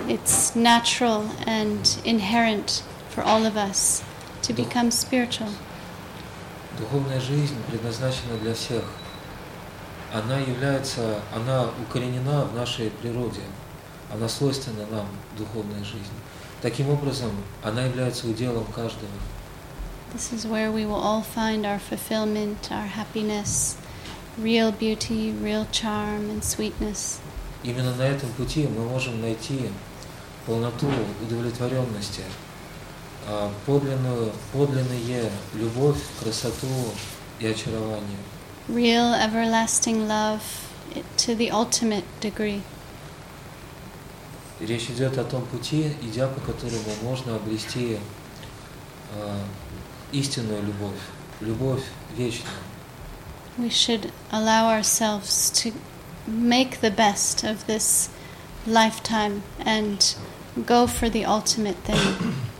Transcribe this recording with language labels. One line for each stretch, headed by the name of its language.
English: It's natural and inherent for all of us to become spiritual.
Russian: Духовная жизнь предназначена для всех. Она является, она укоренена в нашей природе. Она свойственна нам, духовная жизнь. Таким образом, она является уделом каждого.
English: This is where we will all find our fulfillment, our happiness, real beauty, real charm and sweetness.
Russian: Именно на этом пути мы можем найти полноту удовлетворенности, подлинную любовь, красоту и очарование.
English: Real everlasting love to the ultimate degree.
Russian: Речь идет о том пути, идя по которому можно обрести истинную любовь, любовь вечную.
English: We should allow ourselves to make the best of this lifetime and go for the ultimate thing.